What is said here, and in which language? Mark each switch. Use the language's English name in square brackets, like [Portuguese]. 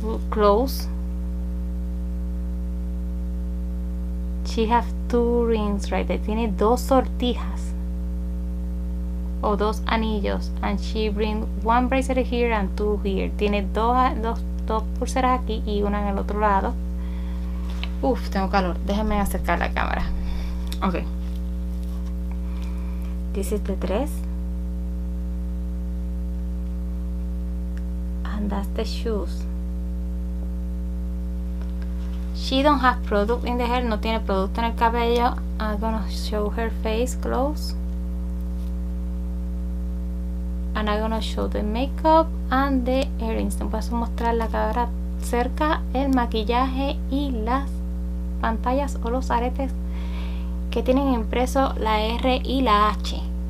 [English] Close. She have two rings right there. [Spanish] Tiene dos sortijas o dos anillos. [English] And she bring one bracelet here and two here. [Spanish] Tiene dos pulseras aquí y una en el otro lado. Uf, tengo calor. Déjenme acercar la cámara. Ok. [English] This is the dress. And that's the shoes. She don't have product in the hair, [Spanish] no tiene producto en el cabello. [English] I'm gonna show her face close. And I'm gonna show the makeup and the earrings. [Spanish] Te paso a mostrar la cara cerca, el maquillaje y las pantallas o los aretes que tienen impreso la R y la H.